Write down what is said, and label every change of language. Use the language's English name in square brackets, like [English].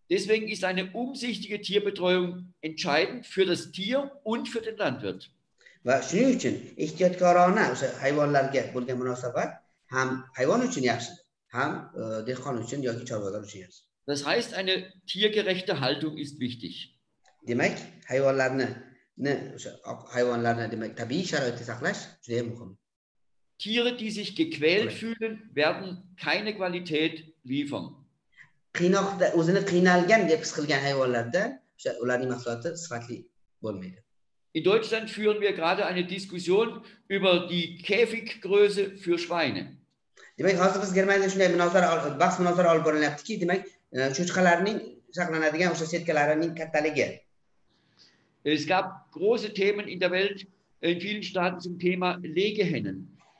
[German] Deswegen ist eine umsichtige Tierbetreuung entscheidend für das Tier und für den Landwirt. [Uzbek] Va shuning uchun ehtiyotkorona o'sha hayvonlarga bo'lgan munosabat ham hayvon uchun yaxshi, ham dehqon uchun yoki chorvador uchun yaxshi. [German] Das heißt, eine tiergerechte Haltung ist wichtig. [Uzbek] Demek hayvanlarni ne hayvanlarni demek tabiiy sharoitda saqlash juda muhim. [German] Tiere, die sich gequält fühlen, werden keine Qualität liefern. [Uzbek] Qiynoqda o'zini qiynalgan deb his qilgan hayvonlarda osha ularning mahsuloti sifatli bo'lmaydi. [German] In Deutschland führen wir gerade eine Diskussion über die Käfiggröße für Schweine. [Uzbek] Demak, hozir biz Germaniyada shunday bahs-munozara olib borilyaptiki, demak, cho'chqalarning saqlanadigan o'sha setkalarining kattaligi. [German] Es gab große Themen in der Welt, in vielen Staaten zum Thema Legehennen.